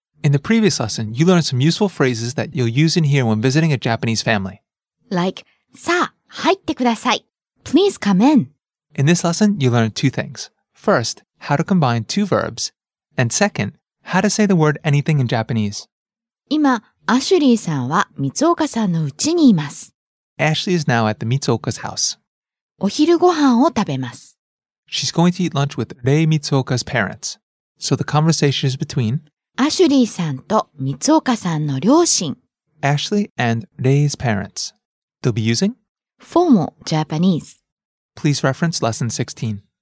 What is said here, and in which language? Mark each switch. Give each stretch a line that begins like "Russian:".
English: In the previous lesson, you learned some useful phrases that you'll use in here when visiting a Japanese family. Like,
Japanese: さあ、入ってください。
English: Please come in. In this lesson, you learned two things. First, how to combine two verbs. And second, how to say the word anything in Japanese.
Japanese: 今、アシュリーさんは光岡さんの家にいます。
English: Ashley is now at the Mitsuoka's house.
Japanese: お昼ご飯を食べます。
English: She's going to eat lunch with Rei Mitsuoka's parents. So the conversation is between
Japanese: アシュリーさんと光岡さんの両親。
English: Ashley and Rei's parents. They'll be using formal Japanese. Please reference lesson 16.